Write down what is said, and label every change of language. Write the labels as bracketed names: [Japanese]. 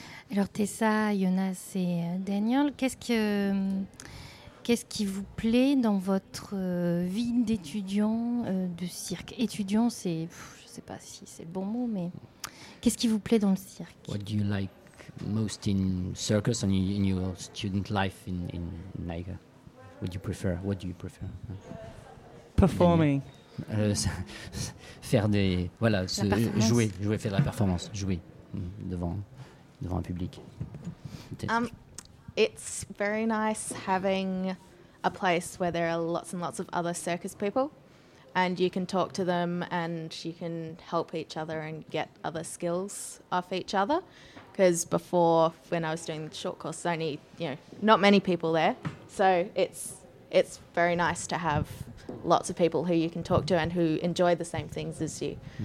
[French] Alors Tessa, Jonas et Daniel, qu'est-ce qui vous plaît dans votre vie d'étudiant, de cirque étudiant, je ne sais pas si c'est le bon mot, mais Qu'est-ce qui vous plaît dans le cirque? [English] What do you like most in circus and in your student life in Niger? What do you prefer? What do you prefer? Performing. [French] faire des voilà se jouer jouer faire de la performance jouer devant devant un public. [English] It's very nice having a place where there are lots and lots of other circus people, and you can talk to them and you can help each other and get other skills off each other. Because before, when I was doing the short course, only not many people there, so it's very nice to have lots of people who you can talk to and who enjoy the same things as you.